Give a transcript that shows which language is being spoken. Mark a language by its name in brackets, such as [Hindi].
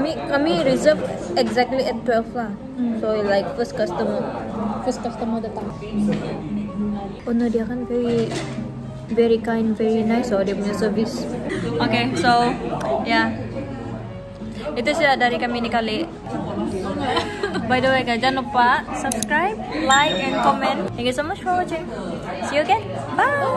[English] Kami reserve exactly at 12 lah. So like first customer. first customer datang. [Malay] Owner dia kan [English] very very kind, very nice, [Malay] so dia punya service. Okay, so yeah, itu sudah dari kami ini kali. [English] By the way guys, [Malay] jangan lupa [English] subscribe, like and comment. Thank you so much for watching. See you again. Bye.